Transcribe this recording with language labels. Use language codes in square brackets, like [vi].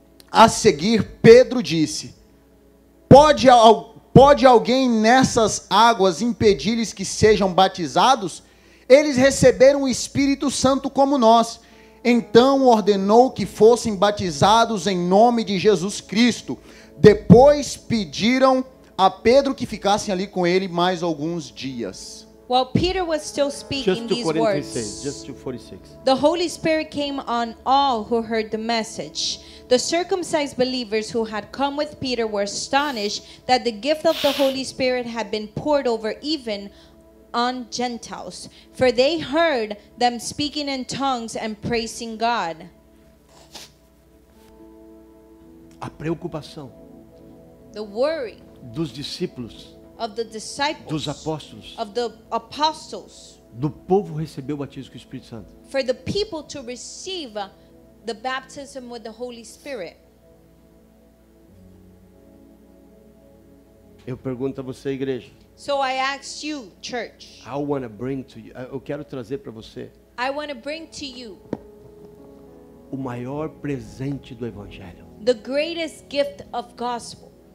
[pt] A seguir, Pedro disse: pode alguém nessas águas impedir-lhes que sejam batizados? Eles receberam o Espírito Santo como nós. Então ordenou que fossem batizados em nome de Jesus Cristo. Depois pediram a Pedro que ficassem ali com ele mais alguns dias. [en] While Peter was still speaking these words, just to 46. The Holy Spirit came on all who heard the message. The circumcised believers who had come with Peter were astonished that the gift of the Holy Spirit had been poured over even on Gentiles, for they heard them speaking in tongues and praising God. [pt] A preocupação, [en] the worry, [pt] dos discípulos, [en] of the disciples, [pt] dos apóstolos, [en] of the apostles, [pt] do povo receber o batismo com o Espírito Santo, [en] for the people to receive the baptism with the Holy Spirit. [pt] Eu pergunto a você, igreja. [en] So I ask you, church. I want to bring to you. [pt] Eu quero trazer para você. [en] I want to bring to you. [pt] O maior presente do evangelho. [en] The greatest gift of gospel.